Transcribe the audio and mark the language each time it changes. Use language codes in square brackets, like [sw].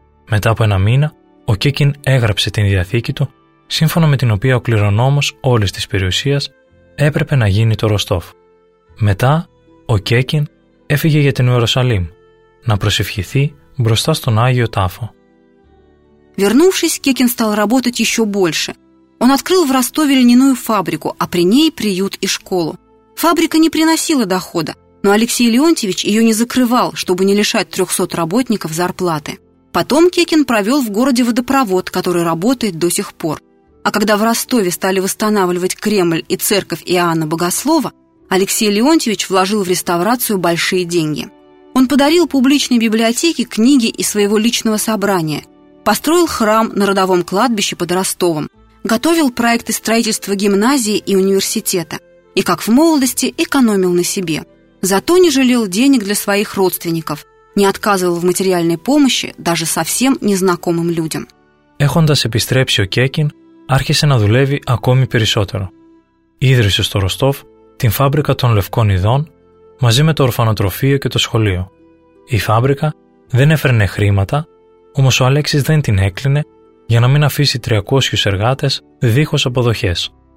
[el] Μετά από 1 μήνα, ο Κέκιν έγραψε την διαθήκη του, σύμφωνα με την οποία ο κληρονόμος όλης της περιουσίας έπρεπε να γίνει το Ροστόφ. Μετά, ο Κέκιν έφυγε για την Ιερουσαλήμ, να προσευχηθεί μπροστά στον Άγιο Τάφο. [ru] Вернувшись, Кекин стал работать еще больше. Он открыл в Ростове льняную фабрику, а при ней приют и школу. Фабрика не приносила дохода, но Алексей Леонтьевич ее не закрывал, чтобы не лишать 300 работников зарплаты. Потом Кекин провел в городе водопровод, который работает до сих пор. А когда в Ростове стали восстанавливать Кремль и церковь Иоанна Богослова, Алексей Леонтьевич вложил в реставрацию большие деньги. Он подарил публичной библиотеке книги из своего личного собрания, построил храм на родовом кладбище под Ростовом, готовил проекты строительства гимназии и университета и, как в молодости, экономил на себе. Зато не жалел денег для своих родственников, не отказывал в материальной помощи даже совсем незнакомым людям. [el] Έχοντας επιστρέψει ο Κέκιν, άρχισε να δουλεύει ακόμη περισσότερο. ίδρυσε στο Ροστόφ την φάμπρικα των Λευκών Ειδών μαζί με το ορφανοτροφείο και το σχολείο. Η φάμπρικα δεν έφερνε χρήματα, όμως ο Αλέξης δεν την έκλεινε για να μην αφήσει 300 εργάτες δίχως αποδοχές.